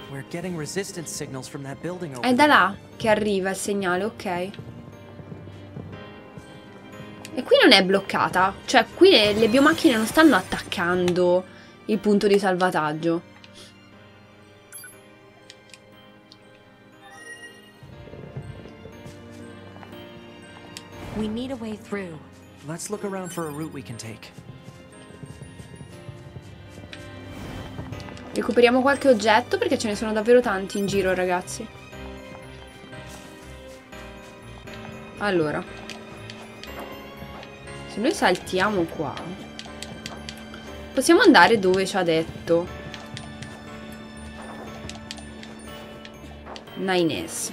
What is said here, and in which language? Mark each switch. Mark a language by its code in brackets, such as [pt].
[en] Getting resistance signals from that building over there. [it] È da là che arriva il segnale, ok. E qui non è bloccata. Cioè, qui le biomacchine non stanno attaccando il punto di salvataggio. [en] We need a way through. Let's look around for a route we can take. [it] Recuperiamo qualche oggetto perché ce ne sono davvero tanti in giro, ragazzi. Allora, se noi saltiamo qua, possiamo andare dove ci ha detto Nines.